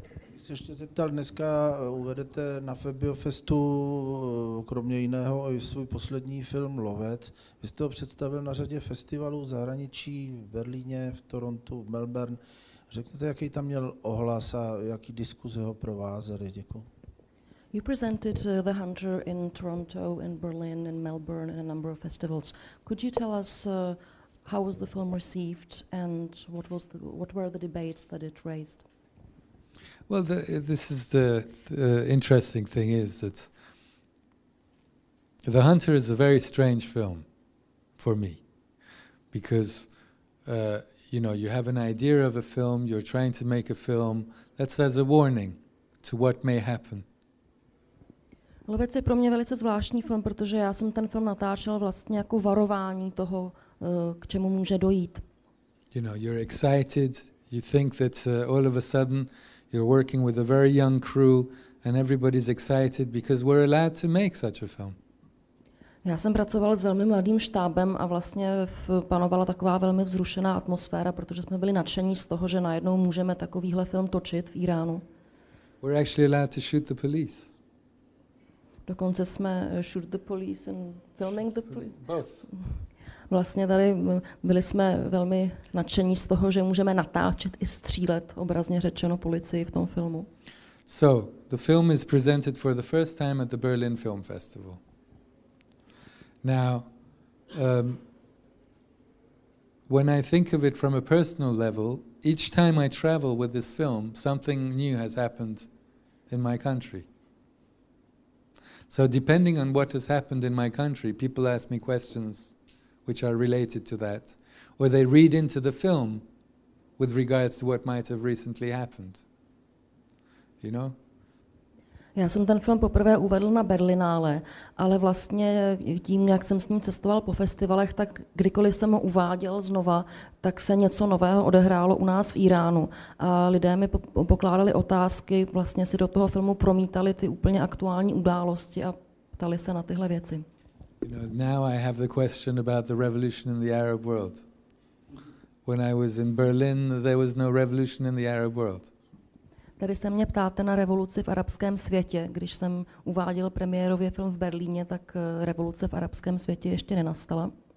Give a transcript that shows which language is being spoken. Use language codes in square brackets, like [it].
[cs] Když se ještě zeptal, dneska uvedete na Febiofestu kromě jiného i svůj poslední film Lovec. Vy jste ho představil na řadě festivalů v zahraničí, v Berlíně, v Torontu, v Melbourne. Řekněte, jaký tam měl ohlas a jaký diskuze ho provázely. Děkuji. [en] You presented The Hunter in Toronto, in Berlin, in Melbourne, in a number of festivals. Could you tell us how was the film received and what were the debates that it raised? Well, the interesting thing is that The Hunter is a very strange film for me, because you know, you have an idea of a film, you're trying to make a film that says a warning to what may happen. [cs] Lovec je pro mě velice zvláštní film, protože já jsem ten film natáčel vlastně jako varování toho, k čemu může dojít. [en] You know, you're excited, you think that all of a sudden you're working with a very young crew and everybody's excited because we're allowed to make such a film. [cs] Já jsem pracoval s velmi mladým štábem a vlastně panovala taková velmi vzrušená atmosféra, protože jsme byli nadšení z toho, že najednou můžeme takovýhle film točit v Iránu. [en] We're actually allowed to shoot the police. [cs] Dokonce jsme [en] shoot the police and filming the police. Both. [cs] Vlastně tady byli jsme velmi nadšení z toho, že můžeme natáčet i střílet, obrazně řečeno, policii v tom filmu. [en] So, the film is presented for the first time at the Berlin Film Festival. Now, when I think of it from a personal level, each time I travel with this film, something new has happened in my country. So, depending on what has happened in my country, people ask me questions which are related to that, or they read into the film with regards to what might have recently happened. You know? [cs] Já jsem ten film poprvé uvedl na Berlinále, ale vlastně tím, jak jsem s ním cestoval po festivalech, tak kdykoliv jsem ho uváděl znova, tak se něco nového odehrálo u nás v Iránu. A lidé mi pokládali otázky, vlastně si do toho filmu promítali ty úplně aktuální události a ptali se na tyhle věci. [en] You know, now I have the question about the revolution in the Arab world. When I was in Berlin, there was no revolution in the Arab world. [cs] Tady se mě ptáte na revoluci v arabském světě. Když jsem uváděl premiérově film v Berlíně, tak revoluce v arabském světě ještě nenastala.